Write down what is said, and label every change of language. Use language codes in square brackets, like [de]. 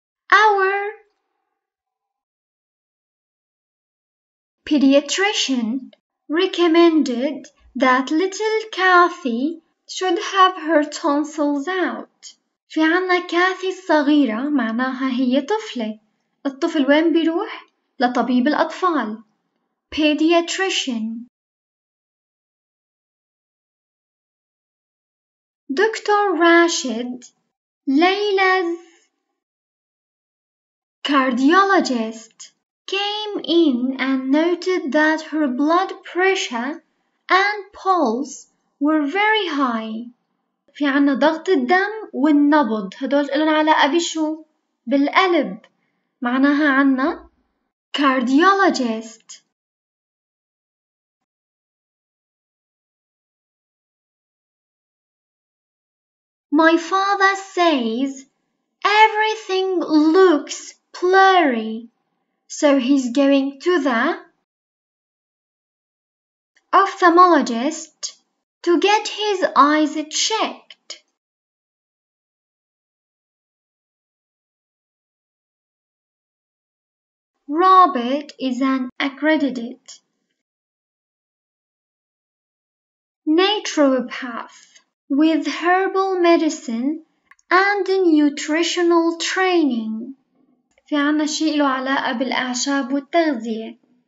[en] Our pediatrician recommended that little Kathy should have her tonsils out. [ar] في عنا كاثي الصغيرة معناها هي طفلة. الطفل وين بيروح؟ لطبيب الأطفال. [en] Pediatrician. Doctor Rashid ليلز cardiologist came in and noted that her blood pressure and pulse were very high. [ar] في عنا ضغط الدم والنبض. هدول إلن علاقة بشو؟ بالقلب. معناها عنا cardiologist. [en] My father says everything looks blurry. So he's going to the ophthalmologist to get his eyes checked. Robert is an accredited naturopath with herbal medicine and nutritional training. [ar] في عنا شيء له علاقة بالأعشاب والتغذية.